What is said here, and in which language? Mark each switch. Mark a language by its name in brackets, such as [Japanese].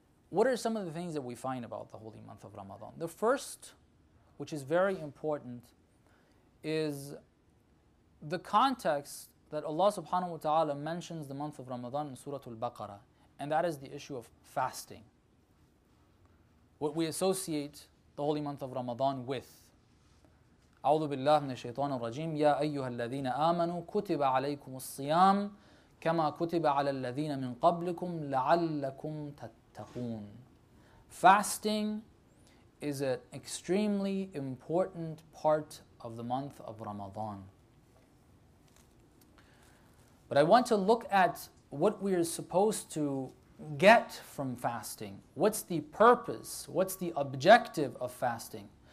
[English] What are some of the things that we find about the holy month of Ramadan? The first, which is very important, is the context that Allah subhanahu wa ta'ala mentions the month of Ramadan in Surah Al-Baqarah, and that is the issue of fasting. What we associate the holy month of Ramadan with. [Arabic] أعوذ بالله من الشيطان الرجيم يا أيها الذين آمنوا كتب عليكم الصيام كما كتب على الذين من قبلكم لعلكم تتقون. [English] Fasting is an extremely important part of the month of Ramadan. But I want to look at what we are supposed to get from fasting. What's the purpose? What's the objective of fasting?